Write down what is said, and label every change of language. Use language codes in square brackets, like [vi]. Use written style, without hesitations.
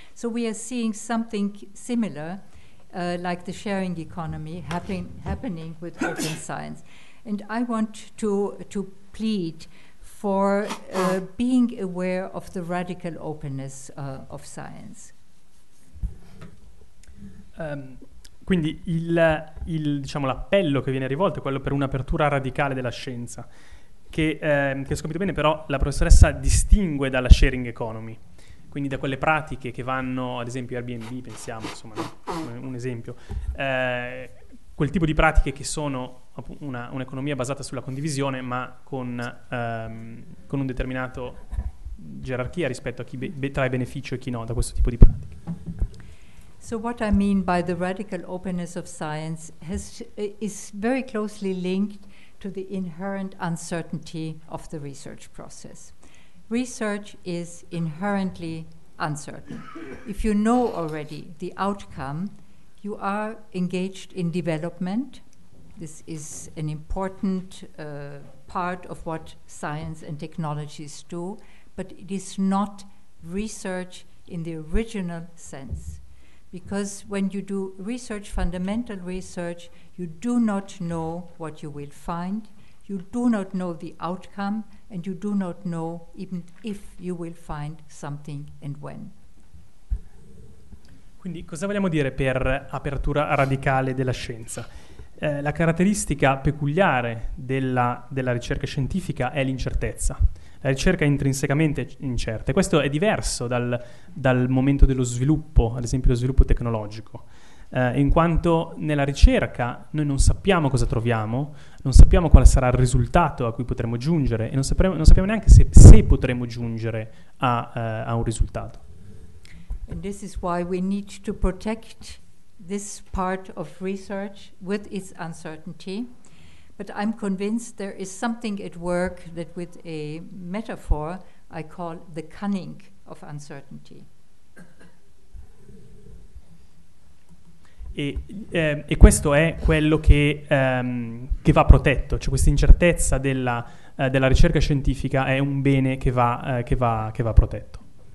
[en] So we are seeing something similar like the sharing economy happening with open science. And I want to plead for being aware of the radical openness of science. [it] Quindi il diciamo l'appello che viene rivolto è quello per un'apertura radicale della scienza, che ho capito bene, però la professoressa distingue dalla sharing economy. Quindi da quelle pratiche che vanno, ad esempio Airbnb, pensiamo, insomma, un esempio, quel tipo di pratiche che sono un'economia basata sulla condivisione, ma con un determinato gerarchia rispetto a chi trae beneficio e chi no da questo tipo di pratiche. [en] So what I mean by the radical openness of science is very closely linked to the inherent uncertainty of the research process. Research is inherently uncertain. If you know already the outcome, you are engaged in development. This is an important part of what science and technologies do, but it is not research in the original sense. Because when you do research, fundamental research, you do not know what you will find, you do not know the outcome, and you do not know even if you will find something and when. [it] Quindi cosa vogliamo dire per apertura radicale della scienza? La caratteristica peculiare della ricerca scientifica è l'incertezza. La ricerca è intrinsecamente incerta. Questo è diverso dal momento dello sviluppo, ad esempio lo sviluppo tecnologico. in quanto nella ricerca noi non sappiamo cosa troviamo, non sappiamo quale sarà il risultato a cui potremo giungere e non sappiamo neanche se potremo giungere a un risultato. [en] And this is why we need to protect this part of research with its uncertainty. But I'm convinced there is something at work that with a metaphor I call the cunning of uncertainty. [it] E questo è quello che va protetto, cioè questa incertezza della ricerca scientifica è un bene che va protetto.